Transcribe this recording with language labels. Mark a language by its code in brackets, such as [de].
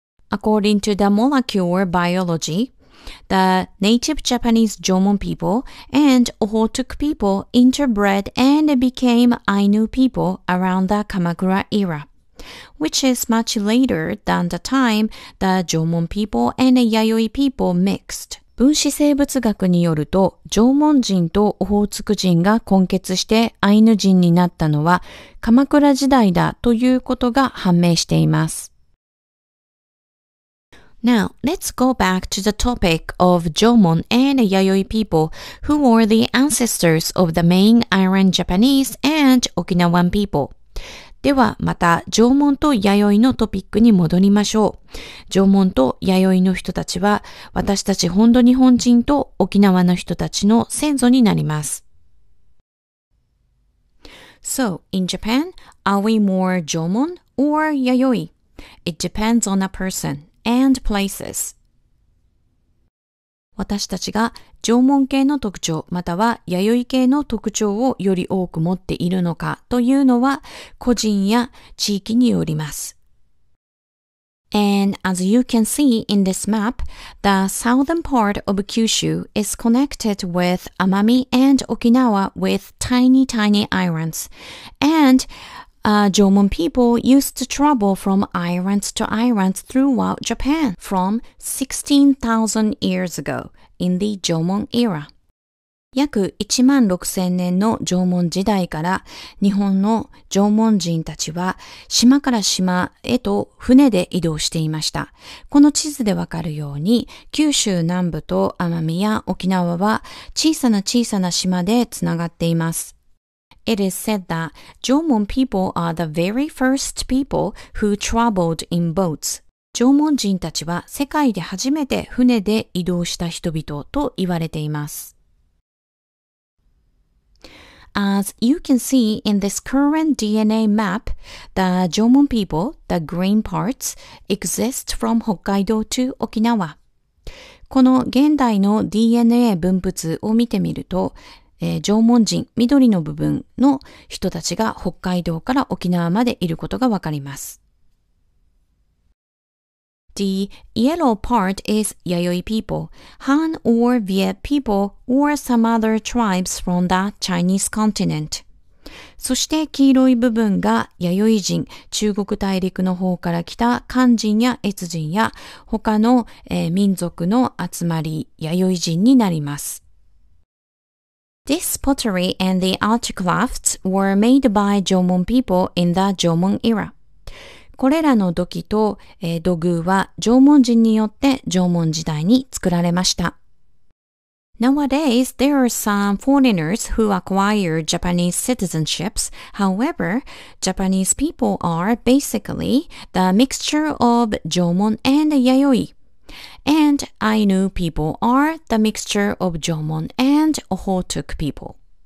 [en] According to the molecular biology, the native Japanese Jomon people and Ohotuk people interbred and became Ainu people around the Kamakura era, which is much later than the time the Jomon people and Yayoi people mixed. [ja] 分子生物学によると、縄文人とオホーツク人が混血してアイヌ人になったのは鎌倉時代だということが判明しています。 [en] Now, let's go back to the topic of Jomon and Yayoi people, who were the ancestors of the main island Japanese and Okinawan people. [ja] ではまた縄文と弥生のトピックに戻りましょう。縄文と弥生の人たちは私たち本土日本人と沖縄の人たちの先祖になります。 [en] So, in Japan, are we more 縄文 or 弥生? It depends on a person. And places. [ja] 私たちが縄文系の特徴または弥生系の特徴をより多く持っているのかというのは個人や地域によります。 [en] And as you can see in this map, the southern part of Kyushu is connected with Amami and Okinawa with tiny tiny islands. And Jomon people used to travel from islands to islands throughout Japan from 16,000 years ago in the Jomon era. [ja] 約1万6000年の縄文時代から日本の縄文人たちは島から島へと船で移動していました。この地図でわかるように九州南部と奄美や沖縄は小さな小さな島でつながっています。 [en] It is said that Jomon people are the very first people who traveled in boats. [ja] 縄文人たちは世界で初めて船で移動した人々と言われています。 [en] As you can see in this current DNA map, the Jomon people, the green parts, exist from Hokkaido to Okinawa. [ja] この現代の DNA 分布図を見てみると、縄文人、緑の部分の人たちが北海道から沖縄までいることがわかります。 [en] The yellow part is Yayoi people, Han or Viet people or some other tribes from the Chinese continent. [ja] そして黄色い部分が弥生人、中国大陸の方から来た漢人や越人や他の、民族の集まり、弥生人になります。 [en] This pottery and the art crafts were made by Jomon people in the Jomon era. [ja] これらの土器と、土偶は縄文人によって縄文時代に作られました。 [en] Nowadays, there are some foreigners who acquire Japanese citizenships. However, Japanese people are basically the mixture of Jomon and Yayoi. And Ainu people are the mixture of Jomon and Ohotuk people.